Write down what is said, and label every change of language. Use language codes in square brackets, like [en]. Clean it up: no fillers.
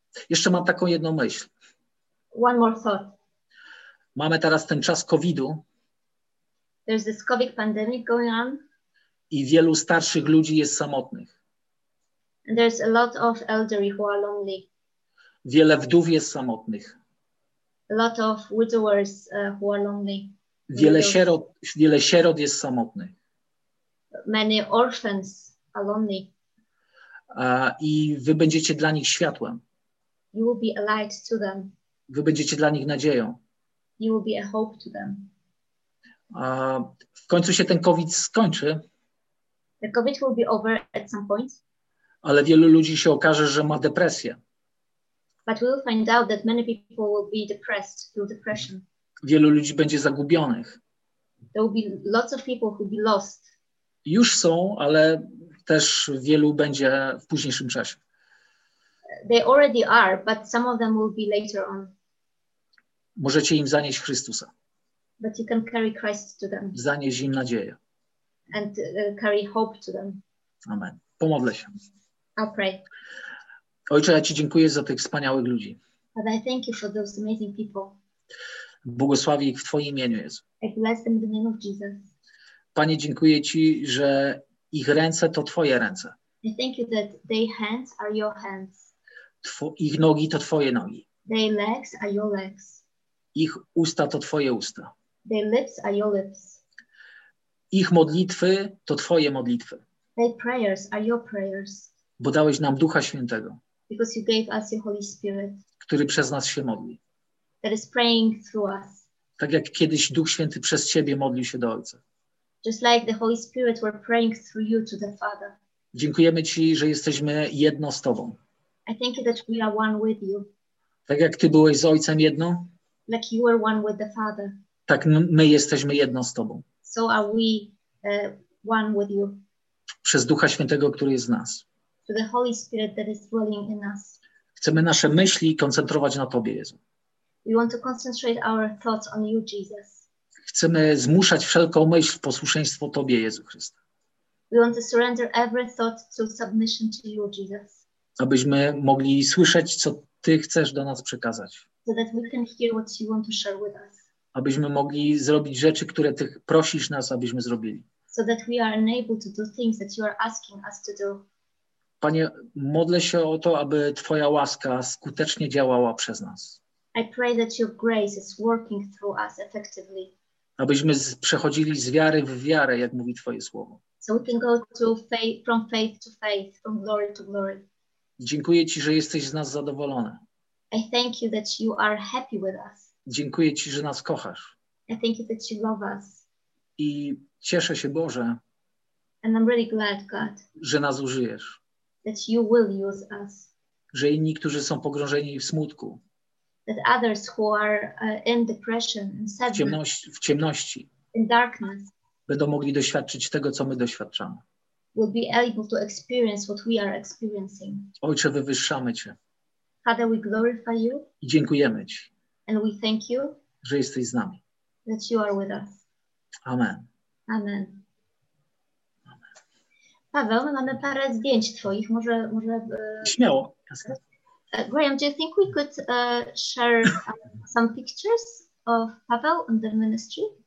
[pl] Jeszcze mam taką jedną myśl. [en] One more thought. [pl] Mamy teraz ten czas COVID-u. [en] There's this COVID pandemic going on. [pl] I wielu starszych ludzi jest samotnych. [en] And there's a lot of elderly who are lonely. [pl] Wiele wdów jest samotnych. [en] A lot of widowers who are lonely. [pl] Wiele sierot jest samotnych. [en] Many orphans are lonely. [pl] I wy będziecie dla nich światłem. [en] You will be a light to them. [pl] Wy będziecie dla nich nadzieją. [en] You will be a hope to them. [pl] W końcu się ten COVID skończy. [en] The COVID will be over at some point. [pl] Ale wielu ludzi się okaże, że ma depresję. [en] But we will find out that many people will be depressed through depression. [pl] Wielu ludzi będzie zagubionych. [en] There will be lots of people who will be lost. [pl] Już są, ale też wielu będzie w późniejszym czasie. [en] They already are, but some of them will be later on. [pl] Możecie im zanieść Chrystusa. [en] But you can carry Christ to them. [pl] Zanieść im nadzieję. [en] And carry hope to them. [pl] Amen. Pomodlę się. [en] I'll pray. [pl] Ojcze, ja Ci dziękuję za tych wspaniałych ludzi. [en] But I thank you for those amazing people. [pl] Błogosławię ich w Twoim imieniu, Jezu. [en] I bless them in the name of Jesus. [pl] Panie, dziękuję Ci, że ich ręce to Twoje ręce. [en] I thank you that their hands are your hands. [pl] Ich nogi to Twoje nogi. [en] Their legs are your legs. [pl] Ich usta to Twoje usta. [en] Their lips are your lips. [pl] Ich modlitwy to Twoje modlitwy. [en] Their prayers are your prayers. [pl] Bo dałeś nam Ducha Świętego. [en] Because you gave us your Holy Spirit. [pl] Który przez nas się modli. [en] That is praying through us. [pl] Tak jak kiedyś Duch Święty przez Ciebie modlił się do Ojca. [en] Just like the Holy Spirit were praying through you to the Father. [pl] Dziękujemy Ci, że jesteśmy jedno z Tobą. [en] I thank you that we are one with you. [pl] Tak jak Ty byłeś z Ojcem jedno. [en] Like you were one with the Father. [pl] Tak my jesteśmy jedno z Tobą. [en] So are we one with you. [pl] Przez Ducha Świętego, który jest w nas. [en] Through the Holy Spirit that is dwelling in us. [pl] Chcemy nasze myśli koncentrować na Tobie, Jezu. [en] We want to concentrate our thoughts on you, Jesus. [pl] Chcemy zmuszać wszelką myśl w posłuszeństwo Tobie, Jezu Chryste. [en] We want to surrender every thought to submission to you, Jesus. [pl] Abyśmy mogli słyszeć, co Ty chcesz do nas przekazać. [en] So that we can hear what you want to share with us. [pl] Abyśmy mogli zrobić rzeczy, które Ty prosisz nas, abyśmy zrobili. [en] So that we are unable to do things that you are asking us to do. [pl] Panie, modlę się o to, aby Twoja łaska skutecznie działała przez nas. [en] I pray that your grace is working through us effectively. [pl] Abyśmy przechodzili z wiary w wiarę, jak mówi Twoje słowo. [en] So we can go to faith, from faith to faith, from glory to glory. [pl] Dziękuję Ci, że jesteś z nas zadowolony. [en] I thank you that you are happy with us. [pl] Dziękuję Ci, że nas kochasz. [en] I thank you that you love us. [pl] I cieszę się, Boże. [en] And I'm really glad, God. [pl] Że nas użyjesz. [en] That you will use us. [pl] Że inni, którzy są pogrążeni w smutku. [en] That others who are in depression and sadness, [pl] w ciemności, [en] in darkness, [pl] będą mogli doświadczyć tego, co my doświadczamy. [en] Will be able to experience what we are experiencing. [pl] Ojcze, wywyższamy Cię. [en] Father, we glorify you. [pl] I dziękujemy Ci. [en] And we thank you. [pl] Że jesteś z nami. [en] That you are with us. [pl] Amen. [en] Amen. [pl] Paweł, my mamy parę zdjęć Twoich. Może. Śmiało. [en] Graham, do you think we could share some pictures of Pavel and the ministry?